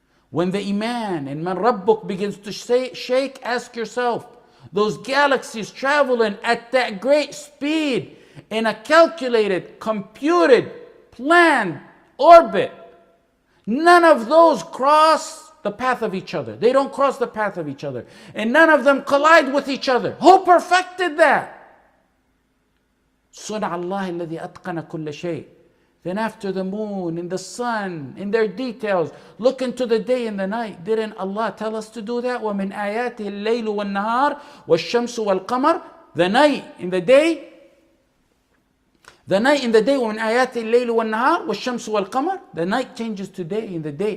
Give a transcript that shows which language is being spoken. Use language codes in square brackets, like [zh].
[en] When the iman and man rabbuk begins to shake, ask yourself, those galaxies traveling at that great speed in a calculated, computed, planned orbit, none of those cross the path of each other. They don't cross the path of each other. And none of them collide with each other. Who perfected that? [ar] صنع الله الذي أتقن كل شيء. [en] Then after the moon and the sun and their details, look into the day and the night. Didn't Allah tell us to do that? [ar] وَمِنْ آيَاتِهِ اللَّيْلُ وَالنَّهَارِ وَالشَّمْسُ وَالْقَمَرِ. [en] The night and the day. The night and the day. [ar] وَمِنْ آيَاتِهِ اللَّيْلُ وَالنَّهَارِ وَالشَّمْسُ وَالْقَمَرِ. [en] The night changes to day and the day.